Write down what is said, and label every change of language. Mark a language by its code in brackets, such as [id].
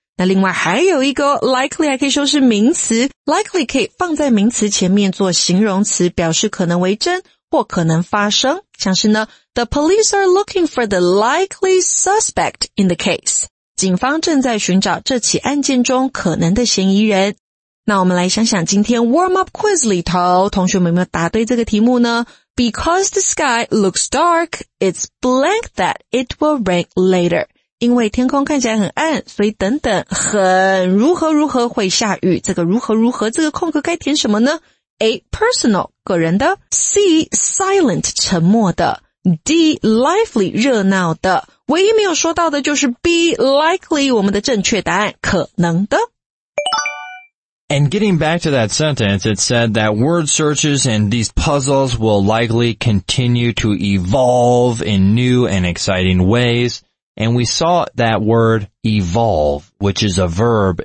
[zh] 那另外还有一个 likely 还可以说是名词， likely 可以放在名词前面做形容词，表示可能为真或可能发生，像是呢 [en] The police are looking for the likely suspect in the case， [zh] 警方正在寻找这起案件中可能的嫌疑人。那我们来想想今天 warm up quiz 里头，同学们有没有答对这个题目呢？ [en] Because the sky looks dark, it's blank that it will rain later. [zh] 因为天空看起来很暗，所以等等很如何如何会下雨。这个如何如何，这个空格该填什么呢？ A. personal, 个人的。C. silent, 沉默的。D. lively, 热闹的。唯一没有说到的就是 B. likely, 我们的正确答案，可能的。 [en] And getting back to that sentence, it said that word searches and these puzzles will likely continue to evolve in new and exciting ways. And we saw that word evolve, which is a verb.